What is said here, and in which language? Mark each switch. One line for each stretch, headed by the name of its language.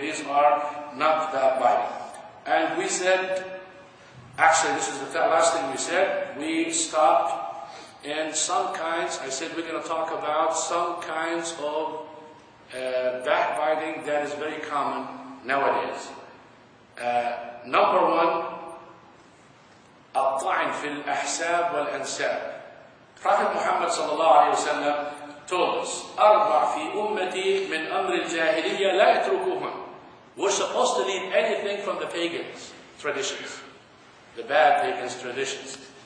English: These are not backbiting. And we said, actually this is the last thing we said, we stopped. And some kinds, I said we're going to talk about some kinds of backbiting that is very common nowadays. Number one,
Arabic: الطعن في الأحساب والأنساب.
English: Prophet Muhammad sallallahu alayhi wa sallam told us,
Arabic: أربع في أمتي من أمر الجاهلية لا يتركوهم.
English: We're supposed to leave anything from the pagans' traditions, the bad pagans' traditions.